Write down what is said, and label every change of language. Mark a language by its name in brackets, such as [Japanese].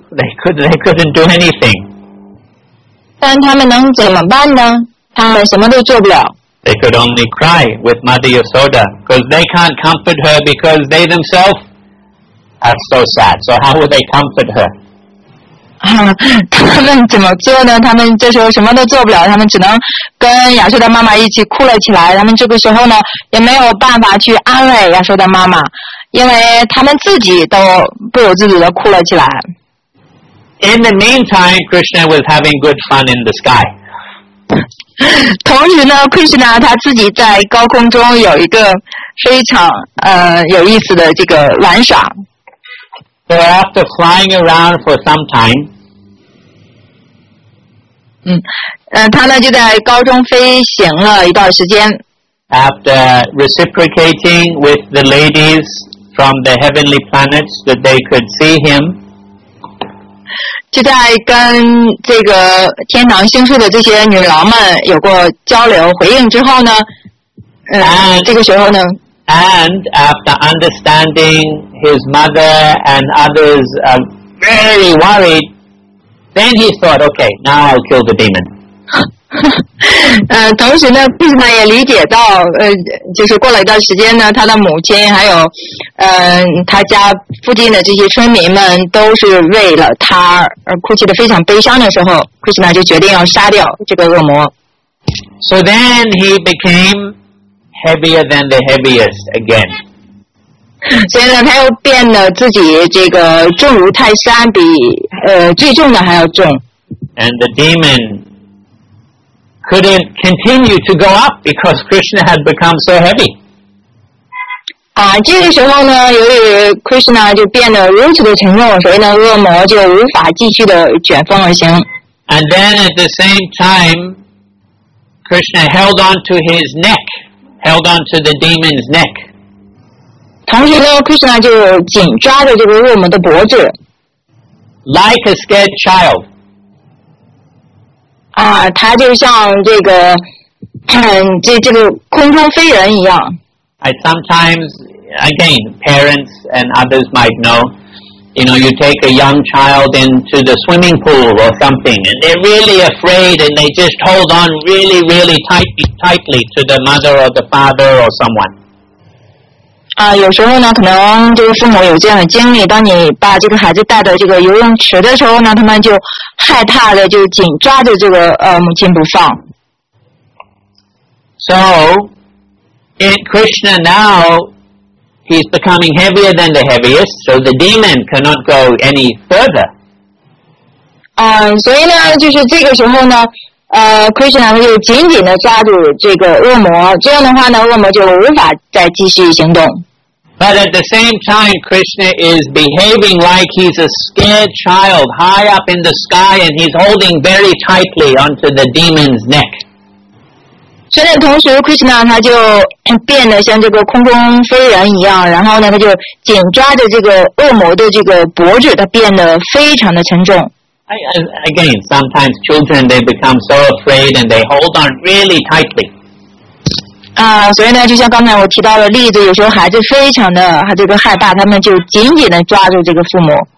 [English] They couldn't do anything. [Chinese] 但他们能怎么办呢？他们什么都做不了。 [English] They could only cry with Mother Yasoda because they can't comfort her because they themselves are so sad. So how would they comfort her? [Chinese] 他们怎么做呢？他们这时候什么都做不了，他们只能跟亚瑟的妈妈一起哭了起来。他们这个时候呢，也没有办法去安慰亚瑟的妈妈，因为他们自己都不由自主的哭了起来。 [English] In the meantime, Krishna was having good fun in the sky. [Chinese] 同时呢 Krishna 他自己在高空中有一个非常有意思的这个玩耍。 [English] So after flying around for some time, [Chinese] 他呢就在高空飞行了一段时间。 [English] After reciprocating with the ladies from the heavenly planets that they could see him, [Chinese] 就在跟这个天堂星宿的这些女郎们有过交流回应之后呢，这个时候呢 [English] ，and after understanding his mother and others are very worried, then he thought, okay, now I'll kill the demon. [Chinese] 同时呢，并且也理解到，就是过了一段时间呢，他的母亲还有，他家附近的这些村民们都是为了他而哭泣的非常悲伤的时候 ，Krishna 就决定要杀掉这个恶魔。 [English] So then he became heavier than the heaviest again. [Chinese] 所以呢，他又变得自己这个重如泰山，比最重的还要重。 [English] And the demon. Couldn't continue to go up because Krishna had become so heavy. [Chinese] 这个时候呢，由于 Krishna 就变得如此的沉重，所以呢，恶魔就无法继续的卷风而行。 [English] And then at the same time, Krishna held on to his neck, held on to the demon's neck. [Chinese] 同时呢 ，Krishna 就紧抓着这个恶魔的脖子 [English] ，like a scared child. [Chinese] 啊，他就像这个，这个空中飞人一样。 [English] I sometimes, again, parents and others might know, you know, you take a young child into the swimming pool or something, and they're really afraid, and they just hold on really, really tightly to the mother or the father or someone. [Chinese] 啊，有时候呢，可能这个父母有这样的经历，当你把这个孩子带到这个游泳池的时候呢，他们就害怕的就紧抓着这个母亲不放。 [English] So, in Krishna now, he's becoming heavier than the heaviest, so the demon cannot go any further. [Chinese] 啊，所以呢，就是这个时候呢，Krishna 就紧紧地抓住这个恶魔，这样的话呢，恶魔就无法再继续行动。 [English] But at the same time, Krishna is behaving like he's a scared child high up in the sky, and he's holding very tightly onto the demon's neck. [Chinese] 虽然同时 ，Krishna 他就变得像这个空中飞人一样，然后呢，他就紧抓着这个恶魔的这个脖子，他变得非常的沉重。 [English] Again, sometimes children, they become so afraid and they hold on really tightly. [Chinese] 啊，所以呢，就像刚才我提到的例子，有时候孩子非常的这个害怕，他们就紧紧的抓住这个父母。